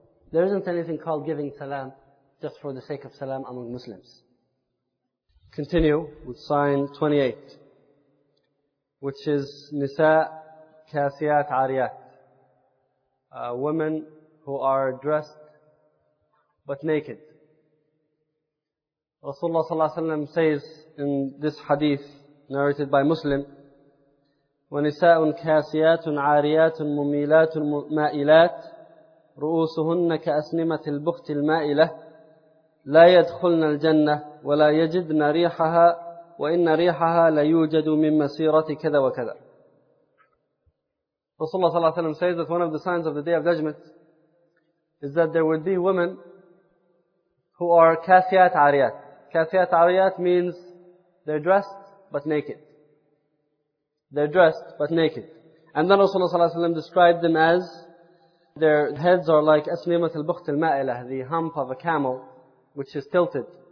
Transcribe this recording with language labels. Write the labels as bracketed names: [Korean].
[English] There isn't anything called giving salam just for the sake of salam among Muslims. Continue with sign 28, which is Nisa Kasiyat Ariyat. Women who are dressed but naked. Rasulullah sallallahu alaihi wasallam says in this hadith narrated by Muslim, [Arabic] وَنِسَاءٌ كَاسِيَاتٌ عَارِيَاتٌ مُمِيلَاتٌ مَائِلَاتٌ رُؤُوسُهُنَّ كَأَسْنِمَةِ الْبُخْتِ الْمَائِلَةِ لَا يَدْخُلْنَ الْجَنَّةِ وَلَا يَجِدْنَ رِيحَهَا وَإِنَّ رِيحَهَا لَيُوجَدُ مِنْ مَسِيرَةِ كَذَا وَكَذَا. [English] Rasulullah sallallahu alayhi wa sallam says that one of the signs of the Day of Judgment is that there would be women who are kasiyat ariyat. Kasiyat ariyat means they're dressed but naked. They're dressed but naked. And then Rasulullah sallallahu alayhi wa sallam described them as their heads are like aslimat al-bukht al-ma'ilah, the hump of a camel which is tilted.